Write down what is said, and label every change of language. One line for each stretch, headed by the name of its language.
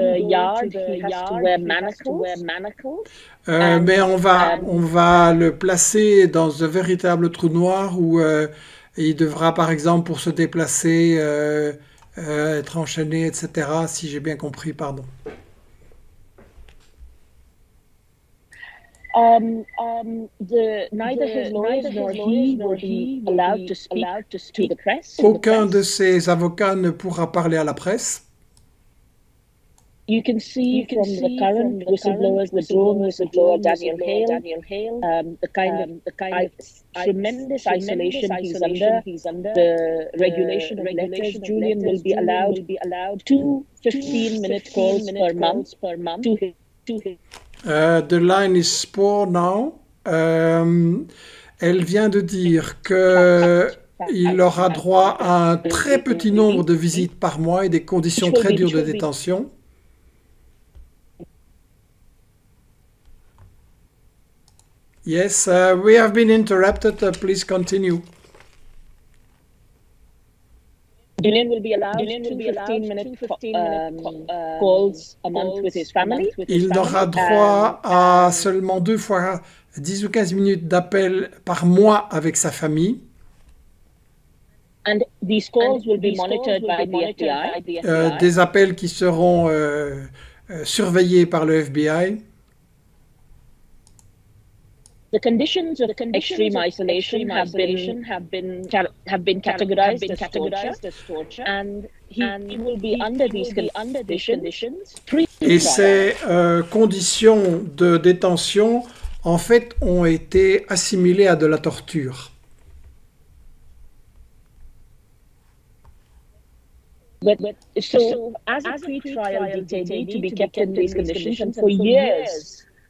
English: It's not the same as maximum, it is maximum, but also the way in which he will be treated is like putting him down a black hole and then closing the door. To even go to the yard, he has to wear manacles.
French: Mais on va le placer dans un véritable trou noir où il devra, par exemple, pour se déplacer, être enchaîné, etc., si j'ai bien compris, pardon. Aucun de ses avocats ne pourra parler à la presse.
English: You can see from the current whistleblowers, the drone whistleblower Daniel Hale, the kind of tremendous isolation he's under, the regulation has left, Julian will be allowed two 15-minute calls per month. The line is poor now.
French: Elle vient de dire que Il aura droit à un très petit nombre de visites par mois et des conditions très dures de détention.
English: Yes, we have been interrupted. Please continue. Julian will be allowed 15 minutes calls a month with his family.
French: Il n'aura droit à seulement 2 fois 10 ou 15 minutes d'appel par mois avec sa famille.
English: And these calls will be monitored by the FBI.
French: Des appels qui seront surveillés par le FBI.
English: The conditions of extreme isolation have been categorized as torture, and he will be under these conditions.
French: Et ces conditions de détention, en fait, ont été assimilées à de la torture.
English: So, as a pre-trial detainee to be kept in these conditions and for years.